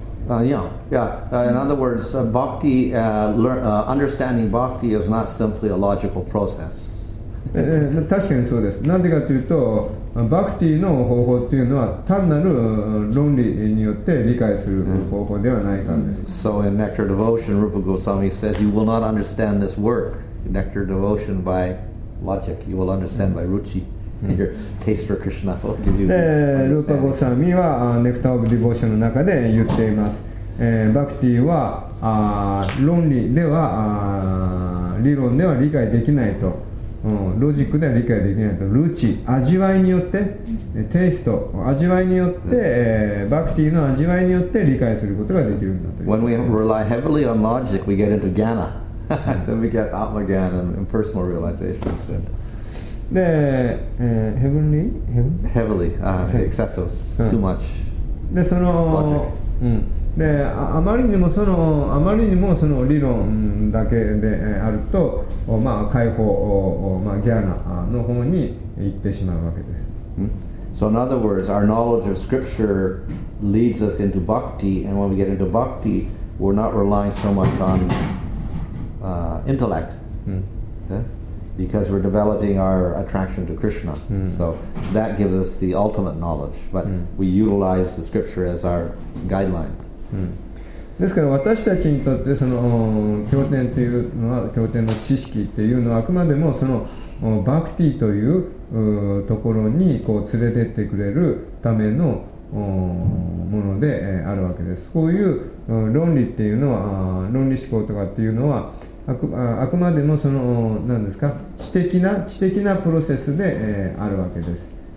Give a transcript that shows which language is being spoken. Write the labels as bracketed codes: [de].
[en] In other words, bhakti, understanding bhakti is not simply a logical process. [ja] 確かにそうです。なんでかというと、バクティの方法というのは単なる論理によって理解する方法ではないからです。 [en] So in Nectar Devotion, Rupa Goswami says, you will not understand this work, Nectar Devotion, by logic. You will understand by ruchi. Your taste for Krishna will give you understanding. [ja] Rupa Goswami は Nectar of Devotion の中で言っています。バクティは論理では理論では理解できないと。ロジックでは理解できないと、ルーチ、味わいによって、テイスト、味わいによって、バクティの味わいによって理解することができるんだと。 [en] When we rely heavily on logic, we get into jnana. Then we get atmajnana and personal realization instead. で、heavenly? Heavily, excessive, too much. [ja] で、その、 [en] logic. [ja] うん。で、あまりにもその、あまりにもその理論だけであると、まあ、解放、まあ、ギャーナの方に行ってしまうわけです。 [en] So in other words, our knowledge of scripture leads us into bhakti, and when we get into bhakti, we're not relying so much on intellect, because we're developing our attraction to Krishna. So that gives us the ultimate knowledge, but we utilize the scripture as our guideline. [ja] ですから私たちにとってその経典というのは、経典の知識というのはあくまでもそのバクティというところにこう連れてってくれるためのものであるわけです。こういう論理っていうのは、論理思考とかっていうのはあくまでもその何ですか、知的なプロセスであるわけです。